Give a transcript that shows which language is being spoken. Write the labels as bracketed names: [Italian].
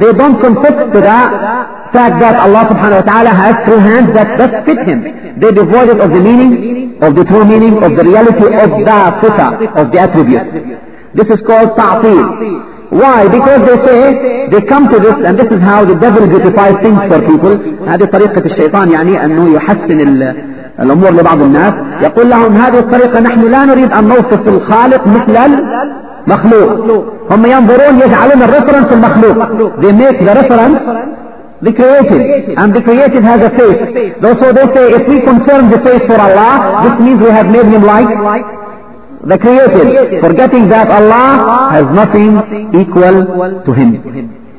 [English] They don't confess to the fact that Allah subhanahu wa ta'ala has true hands that best fit Him. They devoid it of the meaning, of the true meaning, of the reality of the sifa, of the attribute. This is called ta'til. Why? Because they say, they come to this, and this is how the devil beautifies things for people. [Arabic] هذه طريقة الشيطان يعني أنه يحسن الأمور لبعض الناس. يقول لهم هذه الطريقة نحن لا نريد أن نوصف الخالق مثل المخلوق. هم ينظرون يجعلون الريفرنس المخلوق. [English] They make the reference the created, and the created has a face. So they say if we confirm the face for Allah, this means we have made Him like the created, forgetting that Allah has nothing equal to Him.